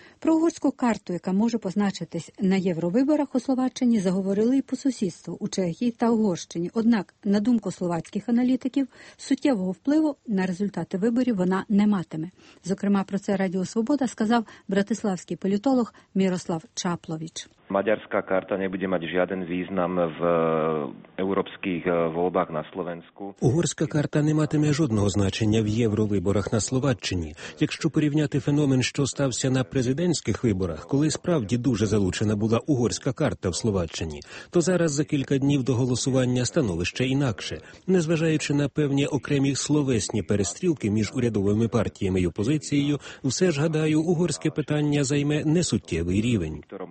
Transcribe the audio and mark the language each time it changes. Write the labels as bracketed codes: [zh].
[uk] Про угорську карту, яка може позначитись на євровиборах у Словаччині, заговорили і по сусідству у Чехії та Угорщині. Однак, на думку словацьких аналітиків, суттєвого впливу на результати виборів вона не матиме. Зокрема, про це Радіо Свобода сказав братиславський політолог Мірослав Чаплович. [sk] Maďarská karta nebude mať žiaden význam v európskych voľbách na Slovensku. [uk] Угорська карта не матиме жодного значення в євровиборах на Словаччині. Якщо порівняти феномен, що стався на президентських виборах, коли справді дуже залучена була угорська карта в Словаччині, то зараз за кілька днів до голосування становище інакше. Незважаючи на певні окремі словесні перестрілки між урядовими партіями і опозицією, все ж, гадаю, угорське питання займе несуттєвий рівень.